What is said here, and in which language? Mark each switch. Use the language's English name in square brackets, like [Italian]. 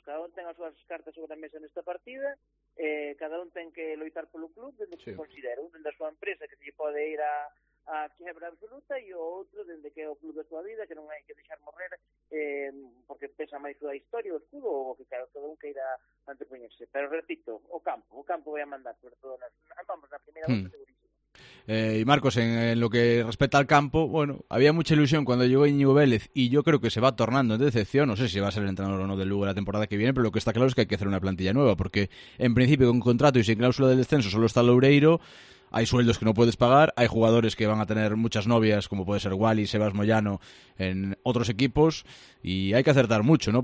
[Galician] Cada un ten as súas cartas sobre a mesa nesta partida, cada un ten que loitar polo club, dende que considero, dende a súa empresa, que se pode ir a quebra absoluta, e o outro, dende que é o club da súa vida, que non hai que deixar morrer, porque pesa máis a historia, o escudo, ou que claro, todo un que irá anteponerse. Pero repito, o campo vai a mandar, sobre todo, na primeira vez, segurísimo. [Spanish] Y Marcos, en lo que respecta al campo, bueno, había mucha ilusión cuando llegó Íñigo Vélez y yo creo que se va tornando en decepción. No sé si va a ser el entrenador o no del Lugo la temporada que viene, pero lo que está claro es que hay que hacer una plantilla nueva, porque en principio con contrato y sin cláusula del descenso solo está Loureiro, hay sueldos que no puedes pagar, hay jugadores que van a tener muchas novias, como puede ser Wally, Sebas Moyano, en otros equipos, y hay que acertar mucho, ¿no?